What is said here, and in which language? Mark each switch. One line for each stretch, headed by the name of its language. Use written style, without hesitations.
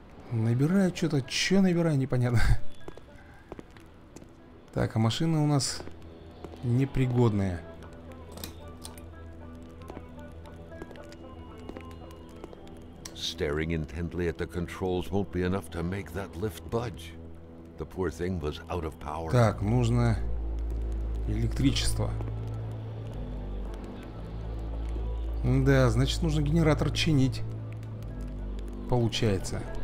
Russian: Набираю что-то. Что набираю, непонятно. Так, а машина у нас непригодная.
English: Staring intently at the controls won't be enough to make that lift budge. The poor thing was out of power.
Russian: Так, нужно электричество. Да, значит, нужно генератор чинить. Получается.